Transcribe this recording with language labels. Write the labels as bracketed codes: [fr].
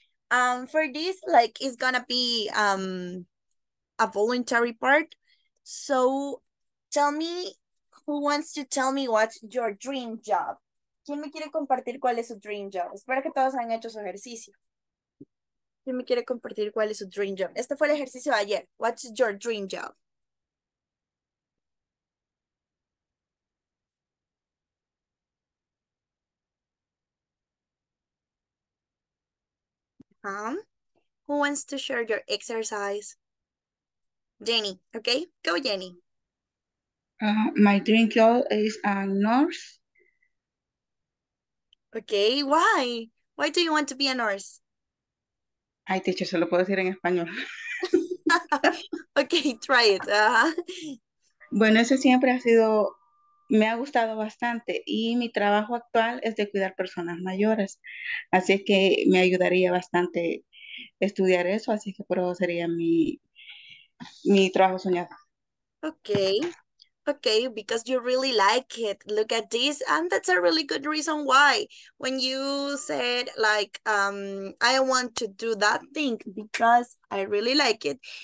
[en] For this, like, it's gonna be a voluntary part. So, tell me. Who wants to tell me what's your dream job? [es] ¿Quién me quiere compartir cuál es su dream job? Espero que todos hayan hecho su ejercicio. ¿Quién me quiere compartir cuál es su dream job? Este fue el ejercicio de ayer. [en] What's your dream job? Who wants to share your exercise? Jenny, okay? Go, Jenny. My dream job is a nurse. Okay, why? Why do you want to be a nurse? [es] Ay, teacher, se lo puedo decir en español. [en] Okay, try it. [es] Bueno, ese siempre ha sido, me ha gustado bastante y mi trabajo actual es de cuidar personas mayores. Así que me ayudaría bastante estudiar eso, así que por eso sería mi trabajo soñado. [en] Okay, because you really like it. Look at this, and that's a really good reason why. When you said like, I want to do that thing because I really like it.